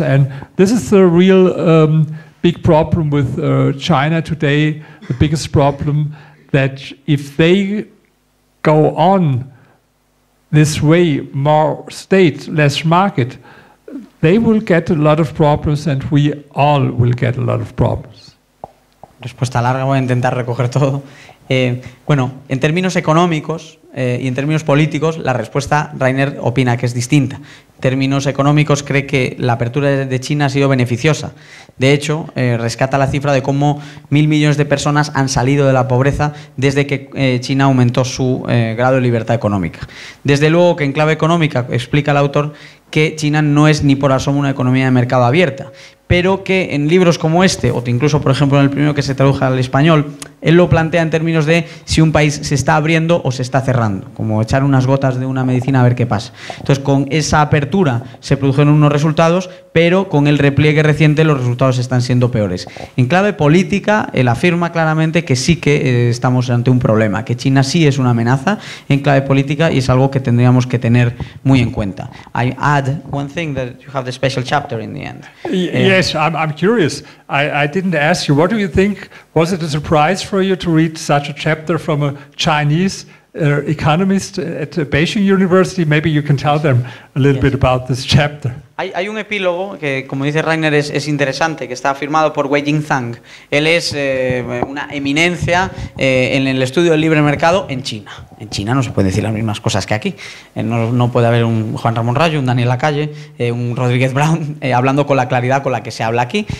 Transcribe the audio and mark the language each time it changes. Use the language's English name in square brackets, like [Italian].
[English] And this is the real big problem with China today, the biggest problem, that if they go on this way, more state, less market, they will get a lot of problems and we all will get a lot of problems. [Spanish] Respuesta larga, voy a intentar recoger todo. Bueno, en términos económicos y en términos políticos, la respuesta, Rainer opina que es distinta. En términos económicos, cree que la apertura de China ha sido beneficiosa. De hecho, rescata la cifra de cómo 1.000 millones de personas han salido de la pobreza desde que China aumentó su grado de libertad económica. Desde luego que en clave económica, explica el autor, que China no es ni por asomo una economía de mercado abierta, pero que en libros como este, o incluso, por ejemplo, en el primero que se traduce al español, él lo plantea en términos de si un país se está abriendo o se está cerrando, como echar unas gotas de una medicina a ver qué pasa. Entonces, con esa apertura se produjeron unos resultados, pero con el repliegue reciente los resultados están siendo peores. En clave política, él afirma claramente que sí que estamos ante un problema, que China sí es una amenaza en clave política y es algo que tendríamos que tener muy en cuenta. [English] I add one thing that you have the special chapter in the end. Yes, I'm curious. I didn't ask you. What do you think? Was it a surprise for you to read such a chapter from a Chinese economist at Beijing University? Maybe you can tell them a little bit about this chapter. [Spanish] Hay un epílogo que, como dice Rainer, es interesante, que está firmado por Wei Jingzhang. Él es una eminencia en el estudio del libre mercado en China. En China no se puede decir las mismas cosas que aquí. No puede haber un Juan Ramón Rayo, un Daniel Lacalle, un Rodríguez Brown, hablando con la claridad con la que se habla aquí.